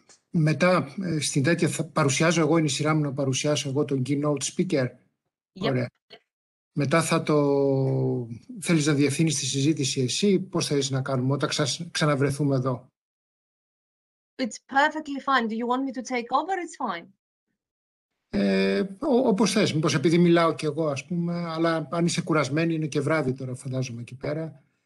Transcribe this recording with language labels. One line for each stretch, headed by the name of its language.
Greek: Μετά στην τέτοια θα παρουσιάζω εγώ, είναι η σειρά μου να παρουσιάσω εγώ τον keynote speaker. Yep. Ωραία. Μετά θα το... Θέλεις να διευθύνεις τη συζήτηση εσύ, πώς θέλεις να κάνουμε όταν ξαναβρεθούμε εδώ.
English: It's perfectly fine. Do you want me to take over? It's fine.
Greek: Όπως θες, μήπως επειδή μιλάω και εγώ, ας πούμε, αλλά αν είσαι κουρασμένη, είναι και βράδυ τώρα, φαντάζομαι, εκεί πέρα.